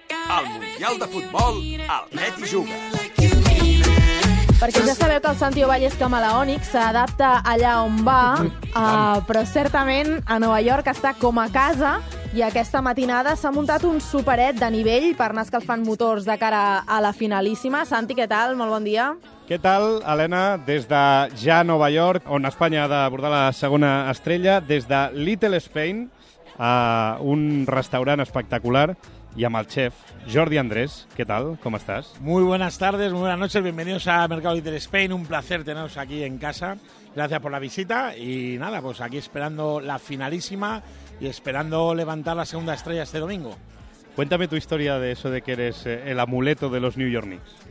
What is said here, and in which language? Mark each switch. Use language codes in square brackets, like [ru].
[ca] El Mundial de Futbol, el Betis juga. Perquè ja sabeu que el Santi Ovalle és camaleònic, s'adapta allà on va, però certament a Nova York està com a casa i aquesta matinada s'ha muntat un superet de nivell per anar escalfant motors de cara a la finalíssima. Santi, què tal? Molt bon dia. Què tal, Helena? Des de ja Nova York, on Espanya ha d'abordar la segona estrella, des de Little Spain, a un restaurant espectacular, y amb el chef Jordi Andrés. [es] ¿Qué tal? ¿Cómo estás? Muy buenas tardes, muy buenas noches. Bienvenidos a Mercado Little Spain. Un placer teneros aquí en casa. Gracias por la visita. Y nada, pues aquí esperando la finalísima y esperando levantar la segunda estrella este domingo. Cuéntame tu historia de eso de que eres el amuleto de los New York Knicks.